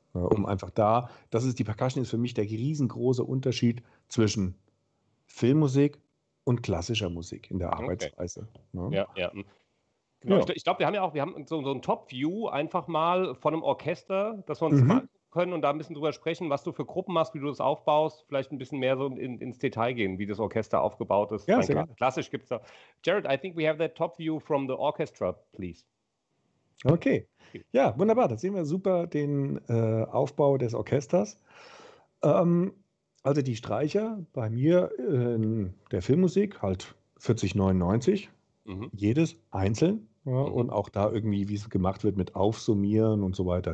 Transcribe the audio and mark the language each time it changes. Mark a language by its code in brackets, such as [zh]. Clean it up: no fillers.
[de] Um einfach da, das ist die Percussion, ist für mich der riesengroße Unterschied zwischen Filmmusik und klassischer Musik in der Arbeitsweise. Okay. Ja, ja. Genau. Ja. Ich glaube, wir haben ja auch, wir haben so ein Top-View einfach mal von einem Orchester, dass wir uns mal können und da ein bisschen drüber sprechen, was du für Gruppen machst, wie du das aufbaust, vielleicht ein bisschen mehr so ins Detail gehen, wie das Orchester aufgebaut ist. Ja, sehr gerne. Klassisch gibt es da. [en] Jared, I think we have that top view from the orchestra, please. [de] Okay. Ja, wunderbar. Da sehen wir super den Aufbau des Orchesters. Also die Streicher bei mir in der Filmmusik halt 4099, jedes einzeln. Ja, und auch da irgendwie, wie es gemacht wird mit Aufsummieren und so weiter.